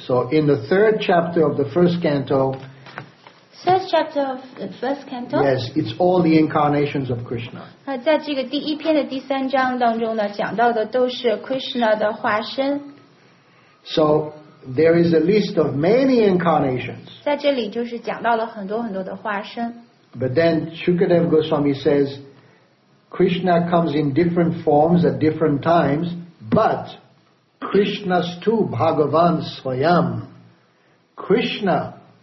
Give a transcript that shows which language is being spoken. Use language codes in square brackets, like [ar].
[en] So in the third chapter of the first canto. First chapter of the first canto. Yes, it's all the incarnations of Krishna. [zh] 在这个第一篇的第三章当中呢，讲到的都是 Krishna 的化身。 [en] So there is a list of many incarnations. [zh] 在这里就是讲到了很多很多的化身。 [en] But then Shukadeva Goswami says, Krishna comes in different forms at different times, but [sa] Krishna's too Bhagavan Swayam, [en] Krishna.